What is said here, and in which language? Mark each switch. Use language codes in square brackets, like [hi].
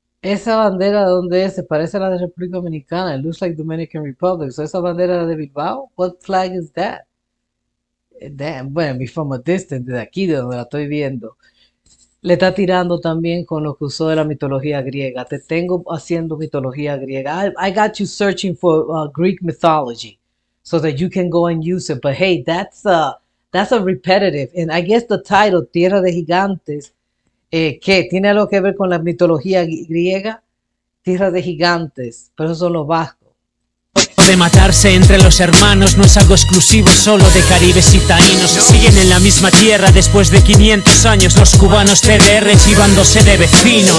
[es] ¿Esa bandera de dónde es? Se parece a la de República Dominicana. [en] It looks like Dominican Republic. ¿So [es] esa bandera de Bilbao? [en] What flag is that? Damn. [es] Bueno, mi [en] from a distance, [es] de aquí de donde la estoy viendo. Le está tirando también con lo que usó de la mitología griega. Te tengo haciendo mitología griega. [en] I got you searching for Greek mythology so that you can go and use it. But hey, that's a repetitive. And I guess the title, Tierra de Gigantes, ¿qué? [es] ¿Tiene algo que ver con la mitología griega? Tierra de Gigantes, pero eso lo bajo. De matarse entre los hermanos no es algo exclusivo solo de caribes y taínos. Siguen en la misma tierra después de 500 años los cubanos CDR chivándose de vecinos.